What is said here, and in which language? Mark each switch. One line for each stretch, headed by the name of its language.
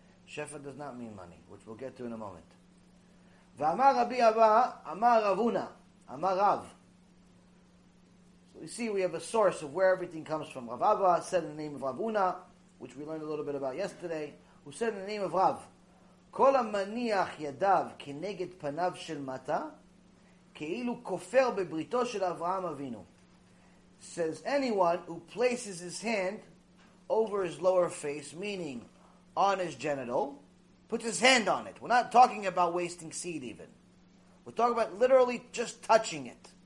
English: Shefa does not mean money, which we'll get to in a moment.
Hebrew: V'amar Rabbi Abba, Amar Ravuna, Amar Rav.
English: So you see, we have a source of where everything comes from. Rav Abba said in the name of Ravuna, which we learned a little bit about yesterday, who said in the name of Rav,
Hebrew: כל המניח ידיו כנגד פניו של מטה, כאילו כופר בבריתו של אברהם אבינו.
English: Says anyone who places his hand over his lower face, meaning on his genital, puts his hand on it. We're not talking about wasting seed even. We're talking about literally just touching it.